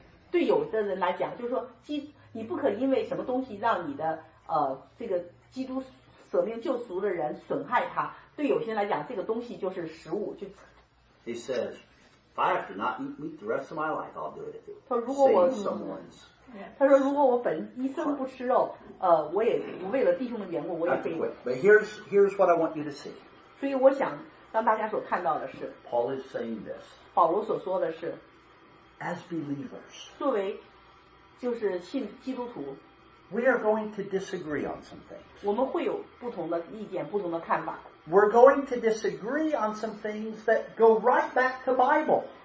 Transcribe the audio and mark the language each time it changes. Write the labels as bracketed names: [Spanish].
[Chinese] 对有的人来讲，就是说你不可因为什么东西让你的这个基督舍命救赎的人损害他。对有些人来讲，这个东西就是食物。就 [English] He says, if I have to not eat meat the rest of my life, I'll do it. [Chinese] 他说如果我 [English] save someone's. [Chinese] 他说如果我本一生不吃肉，我也为了弟兄的缘故，我也可以。 [English] But here's what I want you to see. [Chinese] 所以我想。让大家所看到的是 [English] Paul is saying this, [Chinese] 保罗所说的是 [English] As believers, [Chinese] 作为就是信基督徒 [English] We are going to disagree on some things. [Chinese] 我们会有不同的意见不同的看法 [English] We're going to disagree on some things that go right back to Bible.